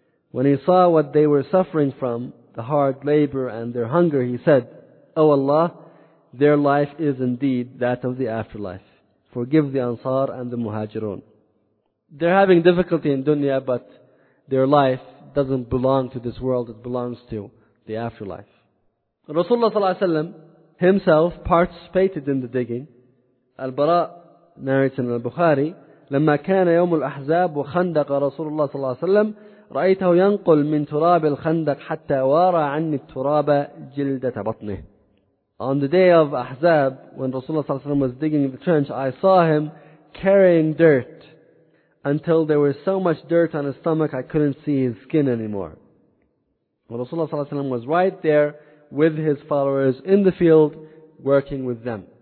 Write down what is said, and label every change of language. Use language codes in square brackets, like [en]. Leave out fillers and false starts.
[en] When he saw what they were suffering from, the hard labor and their hunger, he said, O Allah, their life is indeed that of the afterlife. Forgive the Ansar and the Muhajirun. They're having difficulty in dunya, but their life doesn't belong to this world, it belongs to the afterlife. Rasulullah ﷺ himself participated in the digging. Al-Bara narrates in Al-Bukhari, [ar] لما كان يوم الأحزاب وخندق رسول الله صلى الله عليه وسلم رأيته ينقل من تراب الخندق حتى وارى عني التراب جلدة بطنه. [en] On the day of Ahzab, when Rasulullah صلى الله عليه وسلم was digging the trench, I saw him carrying dirt until there was so much dirt on his stomach I couldn't see his skin anymore. Well, Rasulullah صلى الله عليه وسلم was right there with his followers in the field working with them.